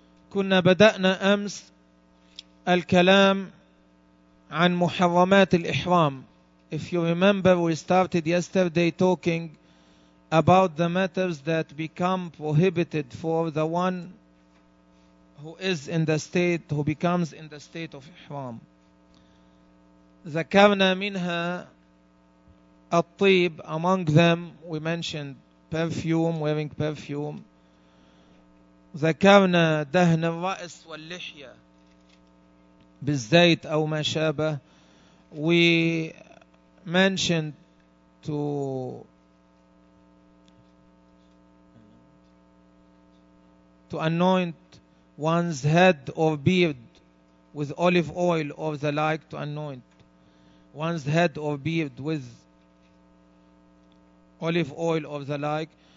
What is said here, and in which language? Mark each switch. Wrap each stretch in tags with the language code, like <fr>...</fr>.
<ar>كنا بدأنا أمس الكلام عن محرمات الإحرام.</ar> <en>If you remember, we started yesterday talking about the matters that become prohibited for the one who is in the state, who becomes in the state of Ihram.</en> <ar>ذكرنا منها الطيب,</ar> <en>among them we mentioned perfume, wearing perfume.</en> <ar>ذكرنا دهن الرأس واللحية بالزيت أو ما شابه.</ar> <en>We mentioned to anoint one's head or beard with olive oil or the like, to anoint one's head or beard with olive oil or the like.</en>